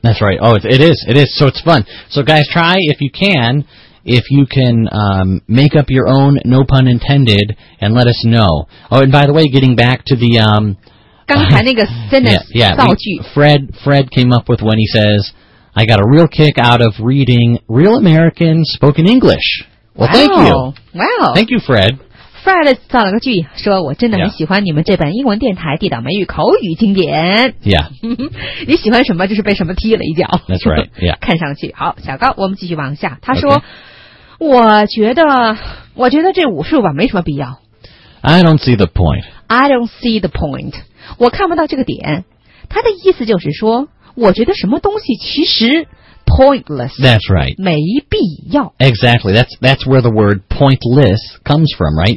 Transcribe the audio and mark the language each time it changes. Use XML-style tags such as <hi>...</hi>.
<en>That's right Oh, it is So it's fun So guys try if you can、make up your own no pun intended and let us know Oh, and by the way getting back to the</en> <zh>刚才那个 sentence 造句</zh> <en>Fred came up with when he says I got a real kick out of reading Real American Spoken English Well, thank you. Wow. Thank you, Fred.</en> <zh>Fred 造了个句，说我真的很喜欢你们这本英文电台地道美语口语经典。</zh> <en>Yeah.</en> <zh>你喜欢什么，就是被什么踢了一脚。</zh> <en>That's right. Yeah.</en> <zh>看上去好，小高，我们继续往下。他说， okay. 我觉得这武术吧没什么必要。</zh> <en>I don't see the point. I don't see the point.</en> <zh>我看不到这个点。他的意思就是说，我觉得什么东西其实。</zh> <en>Pointless. That's right.</en> <zh>没必要</zh> <en>Exactly. That's where the word pointless comes from, right?</en>